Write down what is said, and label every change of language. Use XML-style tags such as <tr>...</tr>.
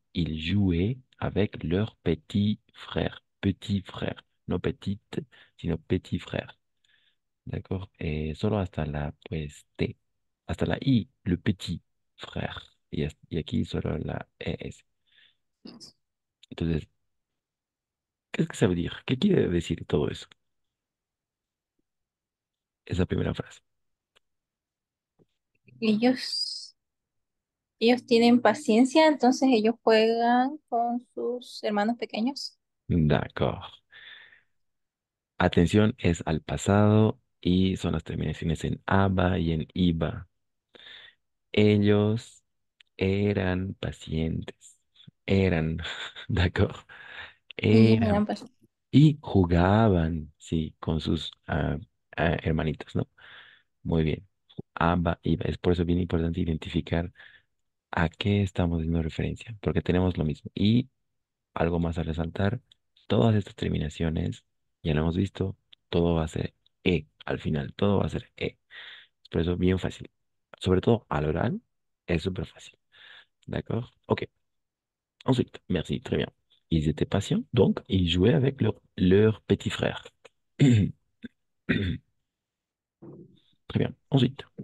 <fr>Ils jouaient avec leur petit frère. Petit frère. No petite, sino petit frère. D'accord?</fr> <es>Et solo hasta la, pues, T. Hasta la I, le petit frère. Y aquí solo la ES. Entonces, ¿qué es que se va a decir? ¿Qué quiere decir todo eso? Esa primera frase. Ellos tienen paciencia, entonces ellos juegan con sus hermanos pequeños.</es> <fr>D'accord.</fr> <es>Atención es al pasado y son las terminaciones en ABA y en IBA. Ellos eran pacientes. Eran, ¿d'accord? Ellos Eran. eran pacientes. Y jugaban, sí, con sus hermanitos, ¿no? Muy bien. ABA, IBA. Es por eso bien importante identificar a qué estamos haciendo referencia, porque tenemos lo mismo. Y algo más a resaltar, todas estas terminaciones. Ya lo hemos visto, todo va a ser E al final, todo va a ser E. Por eso, bien fácil. Sobre todo al oral, es súper fácil.</es> <fr>¿D'accord? Ok. Ensuite, merci, très bien. Ils étaient patients, donc ils jouaient avec leur petit frère. Très bien. Ensuite.</fr>